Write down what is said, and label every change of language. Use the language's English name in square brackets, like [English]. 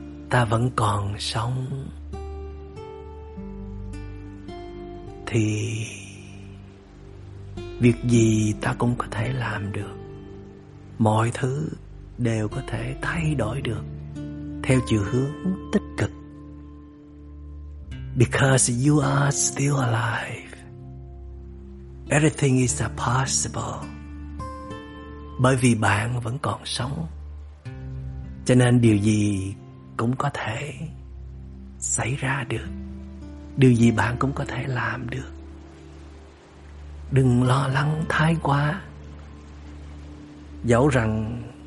[Vietnamese] Ta vẫn còn sống thì việc gì ta cũng có thể làm được. Mọi thứ đều có thể thay đổi được theo chiều hướng tích cực. [English] Because you are still alive, everything is possible. [Vietnamese] Bởi vì bạn vẫn còn sống, cho nên điều gì cũng có thể xảy ra được. Điều gì bạn cũng có thể làm được. Đừng lo lắng thái quá. Dẫu rằng